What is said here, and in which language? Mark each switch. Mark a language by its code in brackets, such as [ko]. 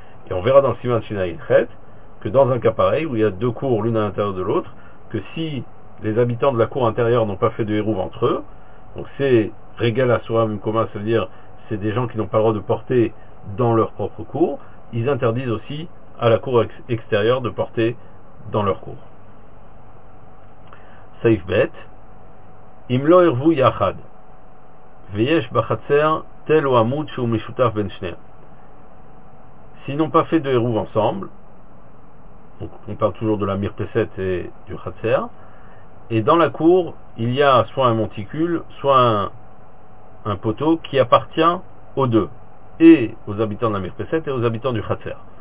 [fr] Et on verra dans le Siman Shina Inchet que dans un cas pareil, où il y a deux cours l'une à l'intérieur de l'autre, que si les habitants de la cour intérieure n'ont pas fait de hérouv entre eux, donc c'est régal à soi même commun, ça veut dire c'est des gens qui n'ont pas le droit de porter dans leur propre cour, ils interdisent aussi à la cour extérieure de porter dans leur cour. [he] סעיף ב', אם לא ערבו יחד ויש בחצר תל או עמוד שהוא משותף בין שניהם. [fr] Sinon pas fait de hérouve ensemble, donc on parle toujours de la mirpesette et du khatser, et dans la cour, il y a soit un monticule, soit un poteau qui appartient aux deux, et aux habitants de la mirpesette et aux habitants du khatser.